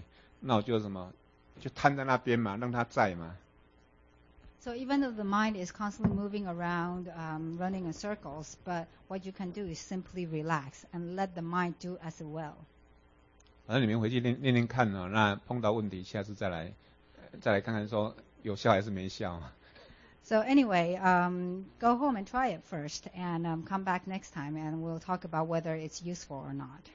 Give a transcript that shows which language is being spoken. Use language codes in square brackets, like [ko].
[zh] 也就是说，它正在动了嘛，那你就是因为已经被它什么载的团团转了，对不对？那我就什么，就瘫在那边嘛，让它在嘛。 [en] So even though the mind is constantly moving around, running in circles, but what you can do is simply relax and let the mind do as well. [zh] 反正你们回去练练练看哦，那碰到问题，下次再来看看说有效还是没效。So [en] anyway, go home and try it first, and come back next time, and we'll talk about whether it's useful or not.